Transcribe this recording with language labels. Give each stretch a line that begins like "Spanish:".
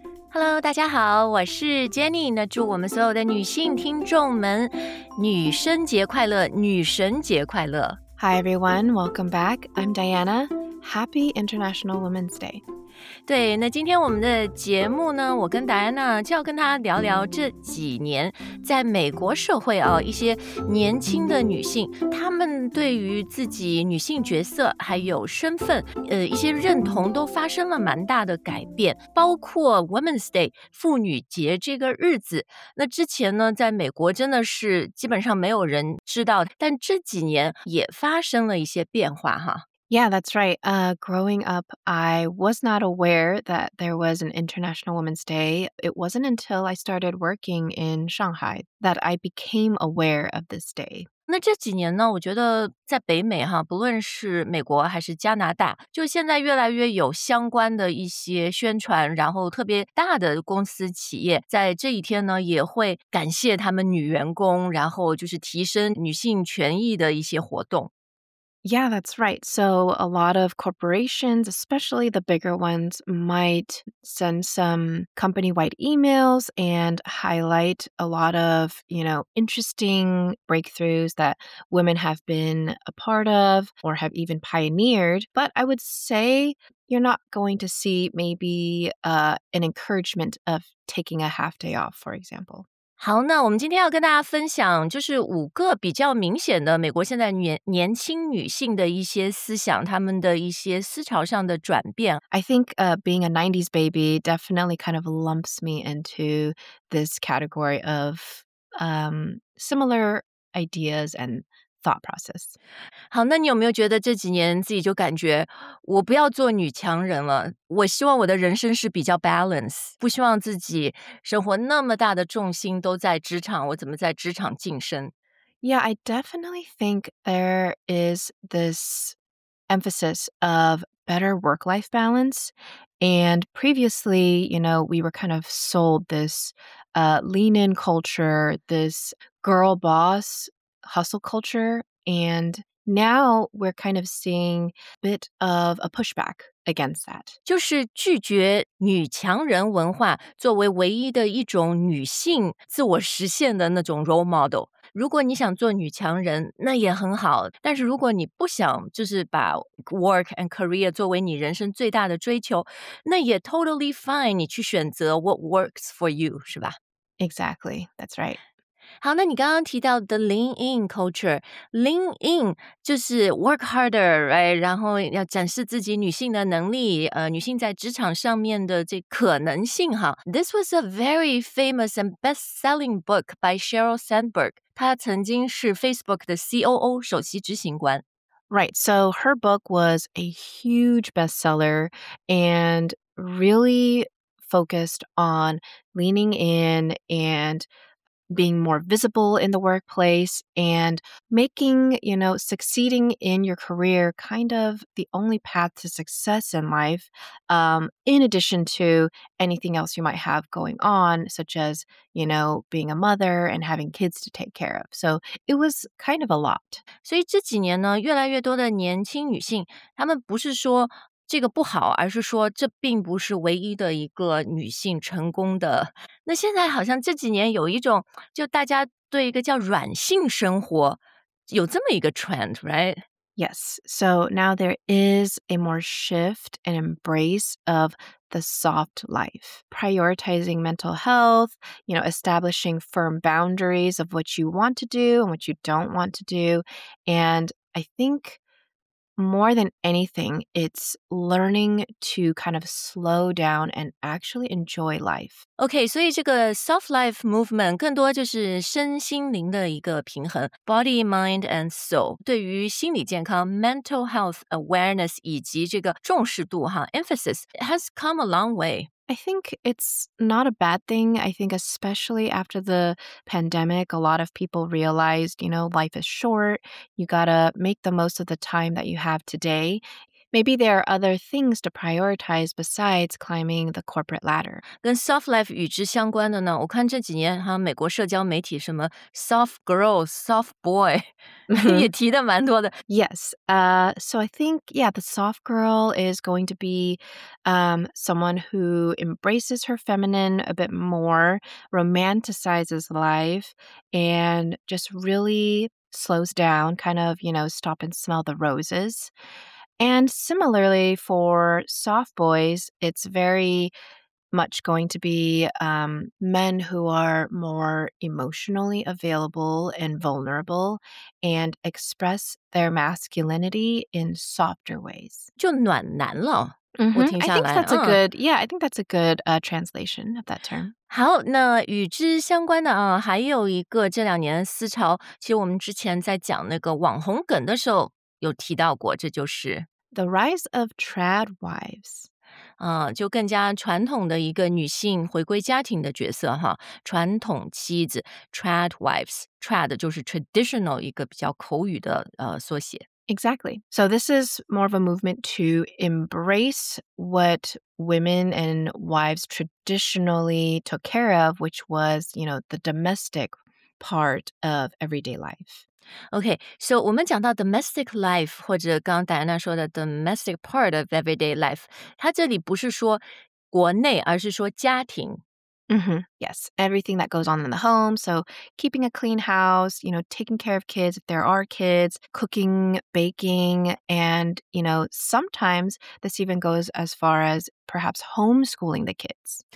Chinese: Hello， 大家好，我是 Jenny。那祝我们所有的女性听众们女生节快乐，女神节快乐。
English: Hi everyone, welcome back. I'm Diana. Happy International Women's Day.
Chinese: 对，那今天我们的节目呢，我跟 Diana 就要跟她聊聊这几年在美国社会啊，一些年轻的女性，她们对于自己女性角色还有身份，一些认同都发生了蛮大的改变，包括 Women's Day 妇女节这个日子。那之前呢，在美国真的是基本上没有人知道，但这几年也发生了一些变化哈。
English: Yeah, that's right. Growing up, I was not aware that there was an International Women's Day. It wasn't until I started working in Shanghai that I became aware of this day.
Chinese: 那这几年呢，我觉得在北美哈，不论是美国还是加拿大，就现在越来越有相关的一些宣传，然后特别大的公司企业在这一天呢，也会感谢他们女员工，然后就是提升女性权益的一些活动。
English: Yeah, that's right. So a lot of corporations, especially the bigger ones, might send some company-wide emails and highlight a lot of, you know, interesting breakthroughs that women have been a part of or have even pioneered. But I would say you're not going to see maybe an encouragement of taking a half day off, for example.
Chinese: 好，那我们今天要跟大家分享就是五个比较明显的美国现在年轻女性的一些思想，她们的一些思潮上的转变。
English: I think being a 90s baby definitely kind of lumps me into this category of similar ideas and thought process.
Chinese: 好，那你有没有觉得这几年自己就感觉我不要做女强人了？我希望我的人生是比较 balance， 不希望自己生活那么大的重心都在职场，我怎么在职场晋升？
English: Yeah, I definitely think there is this emphasis of better work-life balance. And previously, you know, we were kind of sold this lean-in culture, this girl boss hustle culture. And now we're kind of seeing a bit of a pushback. Against that.
Chinese: 就是拒绝女强人文化作为唯一的一种女性自我实现的那种 role model. 如果你想做女强人，那也很好。但是如果你不想就是把
English: work and career
Chinese: 作为你人生最大的追求，那也
English: totally fine.
Chinese: 你去选择
English: what works for you,
Chinese: 是吧？
English: Exactly, that's right.
Chinese: 好，那你刚刚提到的 lean in culture， lean in 就是
English: work harder， right？
Chinese: 然后要展示自己女性的能力，女性在职场上面的这可能性哈。
English: This was a very famous and best-selling book by Sheryl Sandberg.
Chinese: 她曾经是 Facebook 的 COO， 首席执行官。
English: Right, so her book was a huge bestseller and really focused on leaning in and. Being more visible in the workplace and making, you know, succeeding in your career kind of the only path to success in life, in addition to anything else you might have going on, such as, you know, being a mother and having kids to take care of. So it was kind of a lot.
Chinese: 所以这几年呢，越来越多的年轻女性，她们不是说这个不好，而是说这并不是唯一的一个女性成功的。那现在好像这几年有一种，就大家对一个叫软性生活，有这么一个
English: trend, right? Yes, so now there is a more shift and embrace of the soft life, prioritizing mental health, you know, establishing firm boundaries of what you want to do and what you don't want to do. And I thinkMore than anything, it's learning to kind of slow down and actually enjoy life.
Chinese: Okay, 所以这个 soft life movement 更多就是身心灵的一个平衡
English: body, mind, and soul.
Chinese: 对于心理健康
English: mental health awareness
Chinese: 以及这个重视度哈
English: emphasis has come a long way. I think it's not a bad thing. I think especially after the pandemic, a lot of people realized, you know, life is short. You gotta make the most of the time that you have today. Maybe there are other things to prioritize besides climbing the corporate ladder.
Chinese: 跟 soft life 与之相关的呢，我看这几年哈，美国社交媒体什么 soft girl, soft boy, 也提的蛮多的。
English: Yes, so I think, yeah, the soft girl is going to be someone who embraces her feminine a bit more, romanticizes life, and just really slows down, kind of, you know, stop and smell the roses. And similarly, for soft boys, it's very much going to be men who are more emotionally available and vulnerable and express their masculinity in softer ways.
Chinese: 就暖男了。
English: I think that's a good translation of that term.
Chinese: 好，那与之相关的啊，还有一个这两年思潮，其实我们之前在讲那个网红梗的时候有提到过，这就是
English: the rise of trad wives.
Chinese: 就更加传统的一个女性回归家庭的角色哈，传统妻子 trad wives. Trad 就是 traditional 一个比较口语的缩写。
English: Exactly. So this is more of a movement to embrace what women and wives traditionally took care of, which was, you know, the domestic part of everyday life. Okay, so
Chinese: 我们讲到 domestic life, 或者刚刚 Diana 说的
English: domestic part of everyday life,
Chinese: 它这里不是说国内，而是说家庭。 Mm-hmm.
English: Yes, everything that goes on in the home. So keeping a clean house, you know, taking care of kids if there are kids, cooking, baking, and, you know, sometimes this even goes as far as perhaps homeschooling the kids.